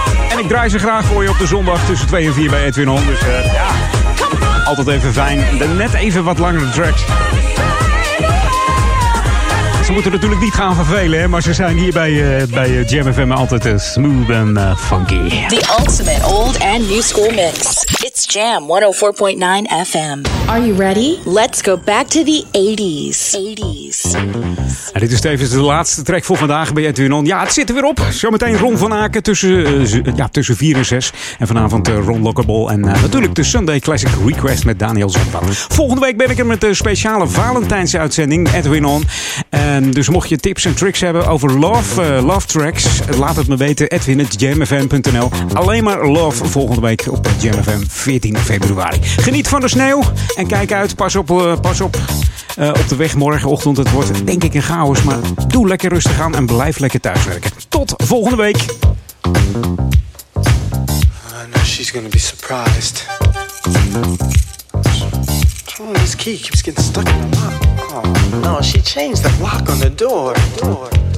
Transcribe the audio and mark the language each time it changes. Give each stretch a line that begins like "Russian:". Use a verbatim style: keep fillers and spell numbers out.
Dutch: En ik draai ze graag voor je op de zondag tussen twee en vier bij Edwin On. Dus uh, ja, altijd even fijn. De net even wat langere tracks. Ze moeten natuurlijk niet gaan vervelen, hè, maar ze zijn hier bij, uh, bij Jam F M altijd uh, smooth en uh, funky.
English: The ultimate old and new school mix. It's Jam
Dutch: honderdvier komma negen
English: F M. Are you ready? Let's go back to the eighties.
Dutch: En dit is tevens de laatste track voor vandaag bij Edwin On. Ja, het zit er weer op. Zometeen Ron van Aken tussen, uh, z- ja, tussen vier en zes. En vanavond uh, Ron Lockable. En uh, natuurlijk de Sunday Classic Request met Daniel Zondag. Volgende week ben ik er met een speciale Valentijnse uitzending Edwin On. En dus mocht je tips en tricks hebben over love, uh, love tracks, laat het me weten. Edwin at jamfm dot n l. Alleen maar love volgende week op Jamfm veertien februari. Geniet van de sneeuw en kijk uit. Pas op, uh, pas op, uh, op de weg morgenochtend. Het wordt denk ik een chaos, maar doe lekker rustig aan en blijf lekker thuiswerken. Tot volgende week.
English: I know she's gonna be surprised. Oh, this key keeps getting stuck in the lock. Oh, no, she changed the lock on the door. door.